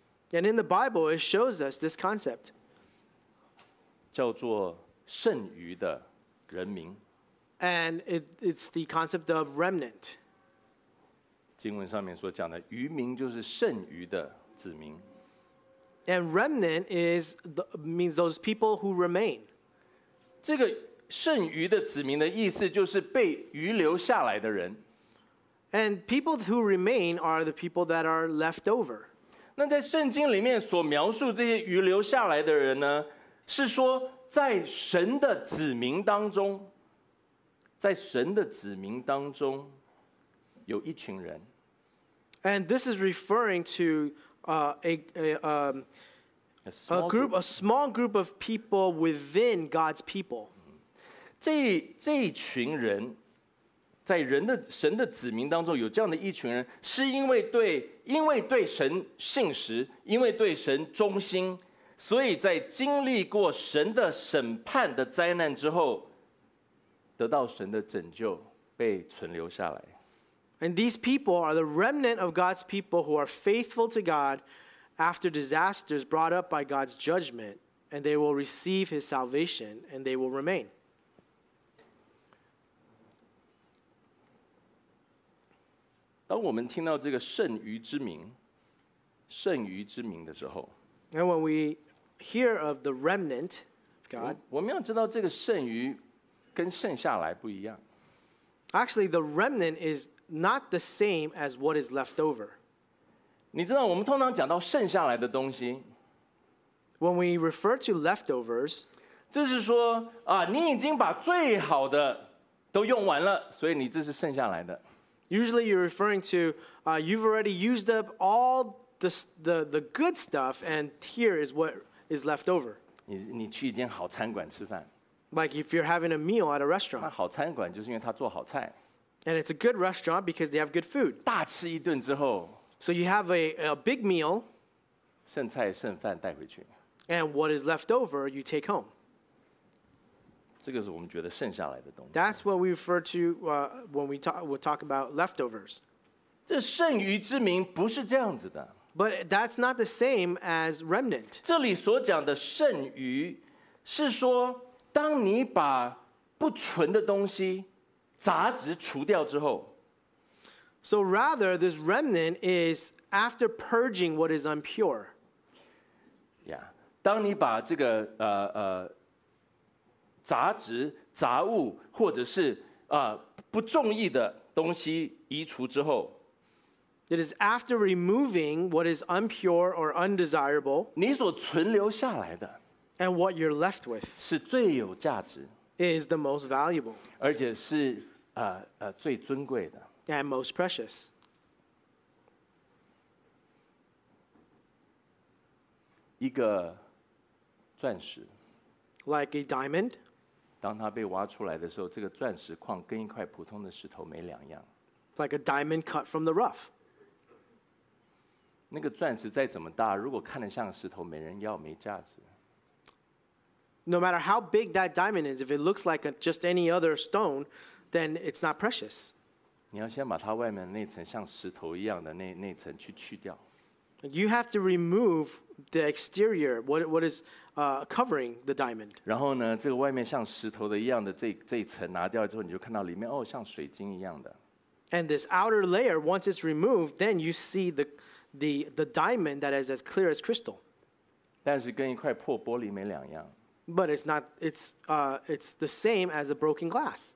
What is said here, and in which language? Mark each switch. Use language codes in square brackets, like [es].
[en] And in the Bible, it shows us this concept. [zh] 叫做剩余的人民。 [en] And it's the concept of remnant. [zh] 经文上面所讲的渔民就是剩余的子民。 [en] And remnant means those people who remain. [zh] 这个剩余的子民的意思就是被遗留下来的人。 [en] And people who remain are the people that are left over. [zh] 那在圣经里面所描述这些余留下来的人呢，是说在神的子民当中，在神的子民当中有一群人。 [en] And this is referring to a small group of people within God's people. [zh] 这一群人在人的神的子民当中有这样的一群人，是因为对神信实，因为对神忠心，所以在经历过神的审判的灾难之后，得到神的拯救，被存留下来。 [en] And these people are the remnant of God's people who are faithful to God after disasters brought up by God's judgment, and they will receive His salvation, and they will remain. [zh] 当我们听到这个剩余之名，剩余之名的时候， [en] And when we hear of the remnant of God, [zh] 我们要知道这个剩余跟剩下来不一样。 [en] Actually, the remnant is not the same as what is left over. [zh] 你知道我们通常讲到剩下来的东西， [en] When we refer to leftovers, [zh] 这是说啊，你已经把最好的都用完了，所以你这是剩下来的。 [en] Usually you're referring to, you've already used up all the good stuff, and here is what is left over. [zh] 你去一间好餐馆吃饭。 [en] Like if you're having a meal at a restaurant. [zh] 那好餐馆就是因为他做好菜。 [en] And it's a good restaurant because they have good food. [zh] 大吃一顿之后。 [en] So you have a big meal. [zh] 剩菜剩饭带回去。 [en] And what is left over, you take home. [zh] 这个是我们觉得剩下来的东西。 [en] That's what we refer to when we talk about leftovers. [zh] 这剩余之名不是这样子的。 [en] But that's not the same as remnant. [zh] 这里所讲的剩余是说当你把不纯的东西杂质除掉之后。 [en] So rather, this remnant is after purging what is impure. Yeah. [zh] 当你把这个杂质、杂物或者是不中意的东西移除之后。 [en] It is after removing what is impure or undesirable. [zh] 你所存留下来的。 [en] And what you're left with. [zh] 是最有价值。 [en] Is the most valuable. [zh] 而且是最尊贵的。 [en] And most precious. [zh] 一个钻石。 [en] Like a diamond. [zh] 当它被挖出来的时候，这个钻石矿跟一块普通的石头没两样。 [en] Like a diamond cut from the rough. [zh] 那个钻石再怎么大，如果看得像石头，没人要，没价值。 [en] No matter how big that diamond is, if it looks like just any other stone, then it's not precious. [zh] 你要先把它外面那层像石头一样的那层去去掉。 [en] You have to remove the exterior, what is covering the diamond. [zh] 然后呢，这个外面像石头的一样的这一层拿掉之后，你就看到里面哦，像水晶一样的。 [en] And this outer layer, once it's removed, then you see the diamond that is as clear as crystal. [zh] 但是跟一块破玻璃没两样。 [en] But it's not, it's the same as a broken glass.